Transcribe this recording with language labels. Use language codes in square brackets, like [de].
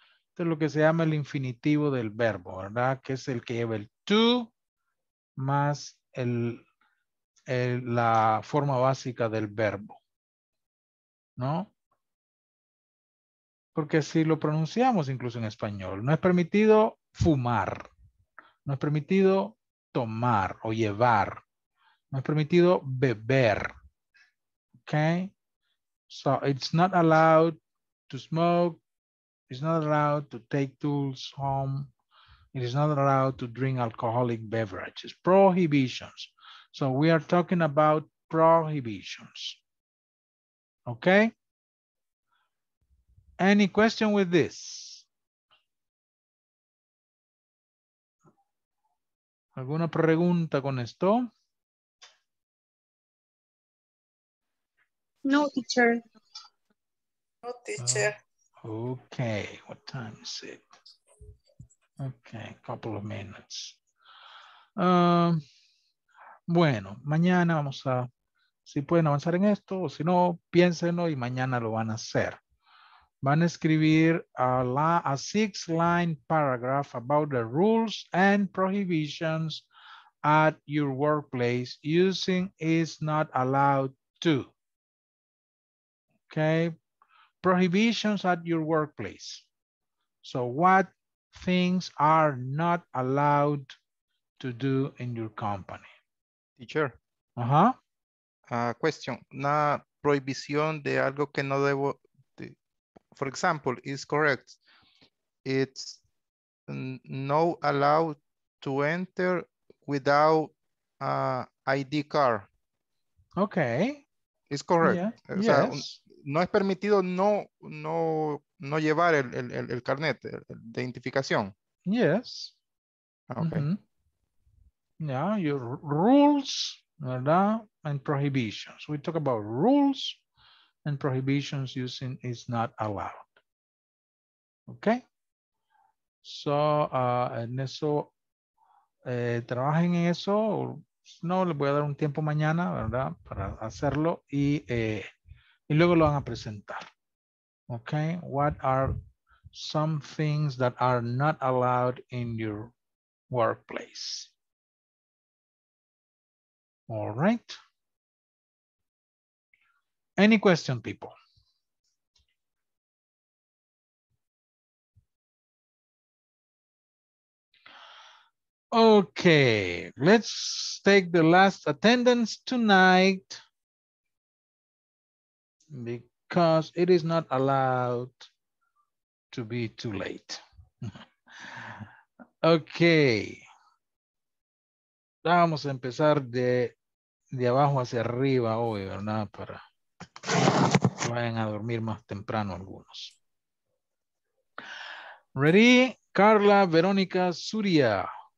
[es] Esto es lo que se llama el infinitivo del verbo, ¿verdad? Que es el que lleva el to más la forma básica del verbo. ¿No? Porque si lo pronunciamos incluso en español, no es permitido fumar, no es permitido tomar o llevar, no es permitido beber. [en] Okay? So it's not allowed to smoke, it's not allowed to take tools home, it is not allowed to drink alcoholic beverages. Prohibitions. So we are talking about prohibitions. Okay? Any question with this? [es] ¿Alguna pregunta con esto? [en] No, teacher. No, teacher. Oh, okay, what time is it? Okay, couple of minutes. [es] Bueno, mañana vamos a, si pueden avanzar en esto, o si no, piénsenlo y mañana lo van a hacer. Van a escribir [en] a 6-line paragraph about the rules and prohibitions at your workplace using is not allowed to. Okay. Prohibitions at your workplace. So what things are not allowed to do in your company? Teacher. Uh-huh. Question. Not [es] prohibición de algo que no debo. [en] De, for example, is correct. It's no allowed to enter without ID card. Okay. It's correct. Yeah. [es] O sea, [en] yes. [es] No es permitido no llevar el carnet de identificación. [en] Yes. Okay. Mm-hmm. Yeah, your rules, [es] ¿verdad? [en] And prohibitions. We talk about rules and prohibitions using is not allowed. Okay. So, [es] en eso, trabajen en eso. No, les voy a dar un tiempo mañana, ¿verdad? Para hacerlo y luego lo van a presentar. [en] Okay. What are some things that are not allowed in your workplace? All right. Any question, people? Okay, let's take the last attendance tonight because it is not allowed to be too late. Okay. [es] Vamos a empezar de abajo hacia arriba hoy, ¿verdad? Para que vayan a dormir más temprano algunos. [en] Ready? Carla Verónica Suria.